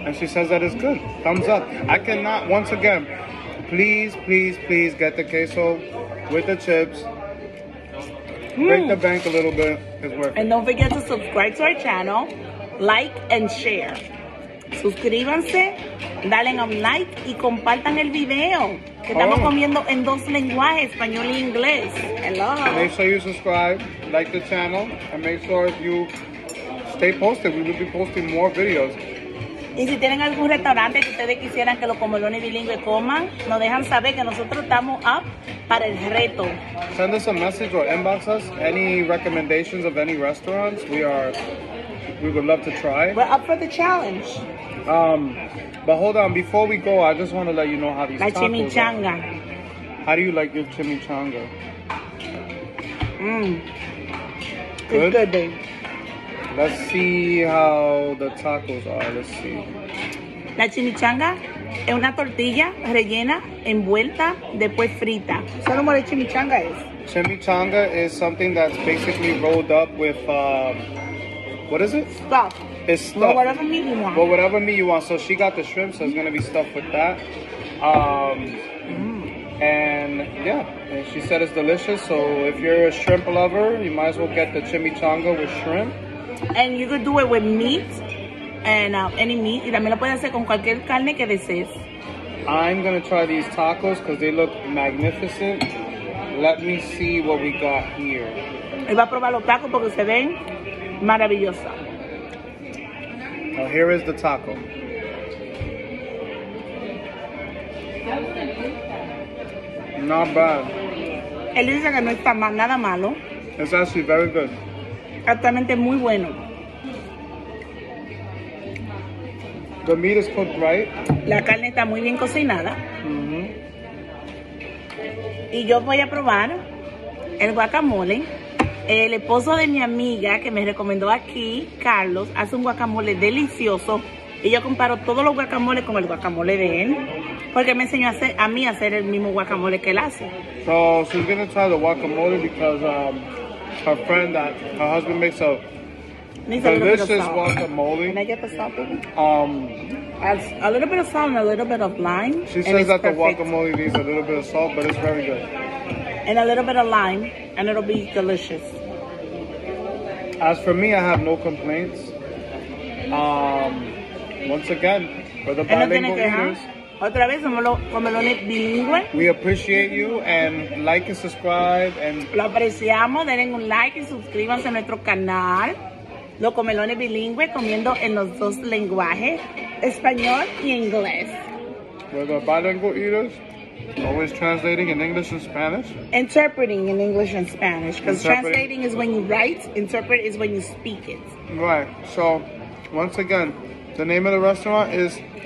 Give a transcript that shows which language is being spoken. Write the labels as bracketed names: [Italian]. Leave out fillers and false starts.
[English] And she says that it's good. Thumbs up. I cannot, once again, please, please, please get the queso with the chips. Break the bank a little bit. It's worth it. And don't forget to subscribe to our channel, like and share. [Spanish] Suscríbanse, dale un like y compartan el video. Que estamos comiendo en dos lenguajes, español e inglés. [English] Hello. Make sure you subscribe, like the channel, and make sure you stay posted. We will be posting more videos. [Spanish] Y si tienen algún restaurante que ustedes quisieran que los comelones bilingües coman, nos dejan saber que nosotros estamos up para el reto. [English] Send us a message or inbox us any recommendations of any restaurants. We would love to try. We're up for the challenge. But hold on, before we go, I just want to let you know how these tacos are. La chimichanga. How do you like your chimichanga? Mmm. It's good, babe. Let's see how the tacos are. Let's see. [Spanish] La chimichanga es una tortilla rellena, envuelta, después frita. ¿Sabes lo que chimichanga es? [English] Chimichanga is something that's basically rolled up with, what is it? Stuff. It's stuff. But whatever meat you want. But whatever meat you want. So she got the shrimp, so it's going to be stuffed with that. And yeah, and she said it's delicious. So if you're a shrimp lover, you might as well get the chimichanga with shrimp. And you could do it with meat and any meat. [Spanish] Y también lo puedes hacer con cualquier carne que desees. [English] I'm going to try these tacos because they look magnificent. Let me see what we got here. [Spanish] Y va a probar los tacos porque se ven maravillosa. [English] Now here is the taco. Not bad. [Spanish] Él dice que no está mal, nada malo. [English] It's actually very good. [Spanish] Exactamente, muy bueno. [English] The meat is cooked right. [Spanish] La carne está muy bien cocinada. Mm-hmm. Y yo voy a probar el guacamole. El esposo de mi amiga que me recomendó aquí, Carlos, hace un guacamole delicioso. Y yo comparo todos los guacamoles con el guacamole de él. Porque me enseñó a hacer el mismo guacamole que él hace. [English] So she's going to try the guacamole because her friend, her husband makes a delicious guacamole. Can I get the salt? A little bit of salt and a little bit of lime. She says that the guacamole needs a little bit of salt, but it's very good. And a little bit of lime, and it'll be delicious. As for me, I have no complaints. Once again, for the bilingual eaters. [Spanish] Otra vez somos los comelones bilingües. [English] We appreciate you and like and subscribe and. [Spanish] Lo apreciamos, denle un like y suscríbanse a nuestro canal. Los comelones bilingües comiendo en los dos lenguajes, español y inglés. [English] We're the bilingual eaters, always translating in English and Spanish. Interpreting in English and Spanish, because translating is when you write, interpret is when you speak it. Right. So, once again, the name of the restaurant is.